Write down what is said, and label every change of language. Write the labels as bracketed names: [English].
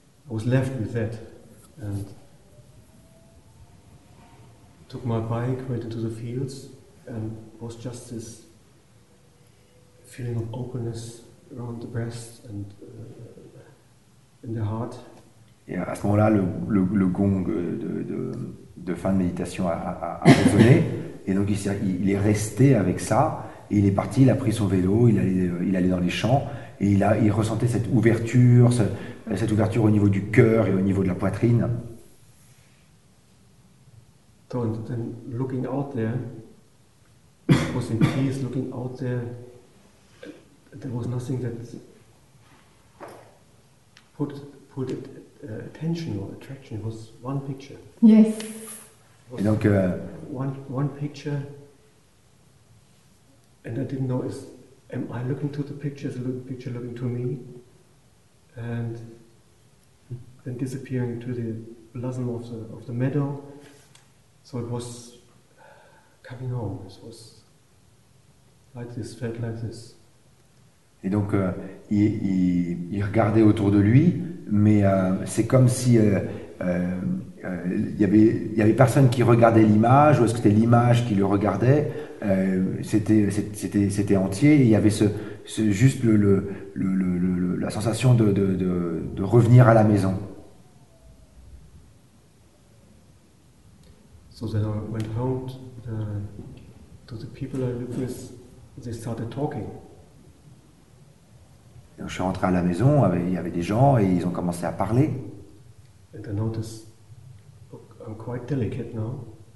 [English] I was left with that, and took my bike, went into the fields, and it was just this feeling of openness around the breast and in the heart. [French] Et à ce moment-là, le gong de fin de méditation a résonné, et donc il est resté avec ça. Et il est parti, il a pris son vélo, il allait dans les champs, et il ressentait cette ouverture au niveau du cœur et au niveau de la poitrine. [English] And then looking out there, I was in peace, looking out there, there was nothing that put attention or attraction, it was one picture. Yes. [French] Et donc, [English] one picture. And I didn't know, am I looking to the picture, is the picture looking to me? And then disappearing to the blossom of the meadow. So it was coming home, it was like this, felt like this. [French] Et donc, il regardait autour de lui, mais c'est comme si il y avait personne qui regardait l'image, ou est-ce que c'était l'image qui le regardait. C'était entier, il y avait juste la sensation de revenir à la maison. [English] So then I went home to the people I lived with, they started talking. [French] Et donc je suis rentré à la maison, il y avait des gens et ils ont commencé à parler. [English] And I noticed, look, I'm quite delicate now.